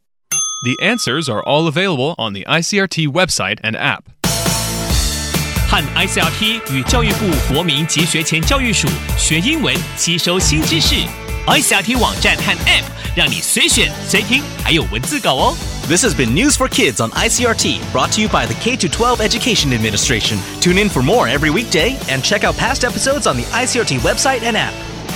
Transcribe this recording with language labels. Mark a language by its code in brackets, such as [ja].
[en] The answers are all available on the ICRT website and app. [zh] 和 ICRT 与教育部国民及学前教育署学英文，吸收新知识。 iXiaoTi 网站和 App， 让你随选随听，还有文字稿哦。 [en] This has been News for Kids on ICRT, brought to you by the K-12 Education Administration. Tune in for more every weekday and check out past episodes on the ICRT website and app.